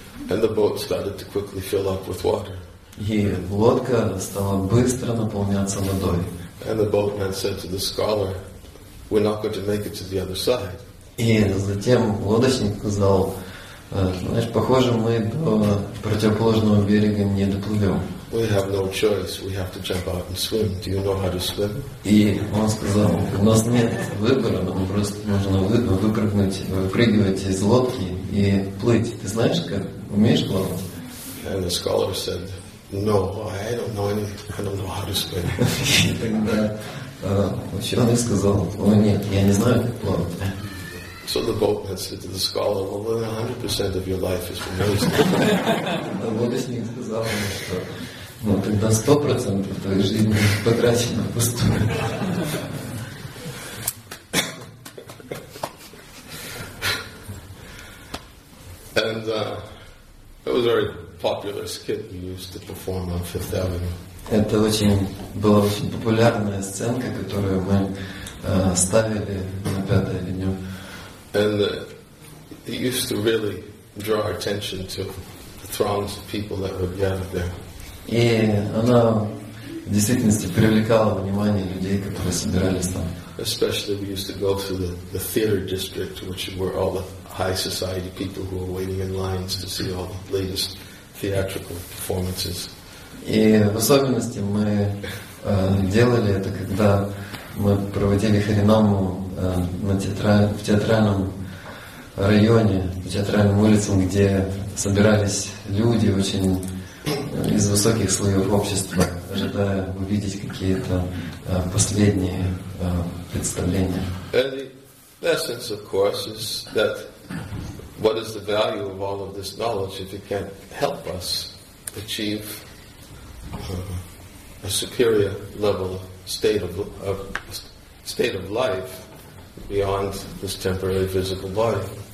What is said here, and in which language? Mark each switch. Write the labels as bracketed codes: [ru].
[en] And the boat started to quickly fill up with water. [ru] И лодка стала быстро наполняться водой. [en] And the boatman said to the scholar, "We're not going to make it to the other side." [ru] И затем лодочник сказал, знаешь, похоже, мы до противоположного берега не доплывем. [en] We have no choice. We have to jump out and swim. Do you know how to swim? [ru] И он сказал, у нас нет выбора, нам просто нужно выпрыгнуть, выпрыгивать из лодки и плыть. Ты знаешь, как умеешь плавать? [en] And the scholar said, no, I don't know any. I don't know how to swim. [ru] И тогда ученый сказал, о нет, я не знаю, как плавать. [en] So the boatman said to the scholar, well, 100% of your life is been wasted. [ru] The лодочник сказал ему, что ну, тогда 100% твоей жизни потрачено впустую. [en] And it was a very popular skit we used to perform on Fifth Avenue. [ru] Это была очень популярная сценка, которую мы ставили на Пятой Авеню. [en] And it used to really draw our attention to the throngs of people that were gathered there. [ru] И она в действительности привлекала внимание людей, которые собирались там. [en] Especially we used to go through the theater district, which were all the high society people who were waiting in lines to see all the latest theatrical performances. [ru] И в особенности мы делали это, когда мы проводили хореному в театральном районе, по театральным улицам, где собирались люди очень из высоких слоев общества, ожидая увидеть какие-то последние представления. [en] And the essence, of course, is that what is the value of all of this knowledge if it can't help us achieve a superior level of state of life beyond this temporary physical body.